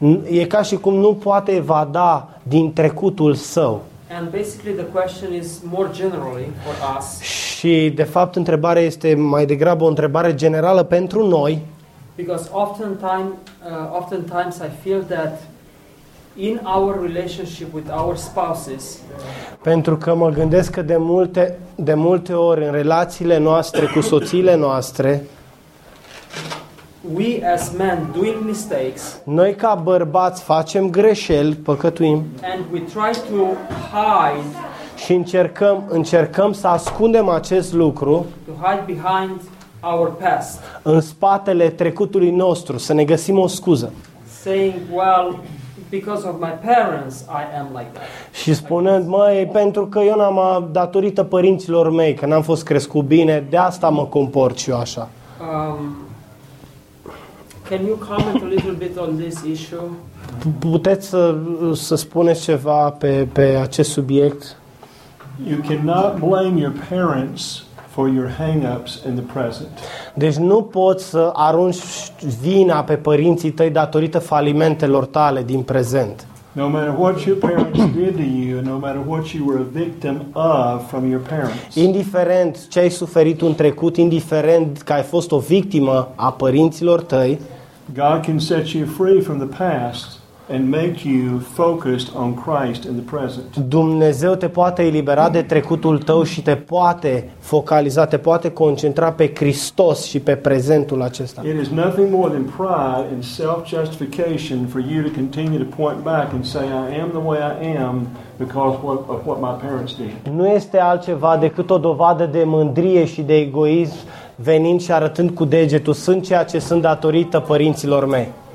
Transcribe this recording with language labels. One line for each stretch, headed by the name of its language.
Romanian: E ca și cum nu poate evada din trecutul său.
English: And basically the question is more generally for us.
Romanian: Și de fapt întrebarea este mai degrabă o întrebare generală pentru noi.
English: Because oftentimes I feel that in our relationship with our spouses.
Romanian: Pentru că mă gândesc că de multe ori în relațiile noastre cu soțiile noastre,
English: We as men doing mistakes.
Romanian: Noi ca bărbați facem greșeli, păcătuim.
English: And we try to hide.
Romanian: Și încercăm să ascundem acest lucru.
English: To hide behind our past.
Romanian: În spatele trecutului nostru, să ne găsim o scuză.
English: Saying, well, because of my parents I am like that.
Romanian: Și spunând, măi, pentru că eu n-am datorită părinților mei, că n-am fost crescut bine, de asta mă comport și eu așa.
English: Can you comment a little bit on this issue?
Romanian: Puteți să spuneți ceva pe acest subiect?
English: You cannot blame your parents for your hang-ups in the present.
Romanian: Deci nu poți să arunci vina pe părinții tăi datorită falimentelor tale din prezent.
English: No matter what your parents did to you, no matter what you were a victim of from your parents.
Romanian: Indiferent ce ai suferit în trecut, indiferent că ai fost o victimă a părinților tăi,
English: God can set you free from the past and make you focused on Christ in the present.
Romanian: Dumnezeu te poate elibera de trecutul tău și te poate focaliza, te poate concentra pe Hristos și pe prezentul acesta.
English: It is nothing more than pride and self-justification for you to continue to point back and say I am the way I am because of what my parents did.
Romanian: Nu este altceva decât o dovadă de mândrie și de egoism venind și arătând cu degetul, sunt ceea ce sunt datorită părinților mei.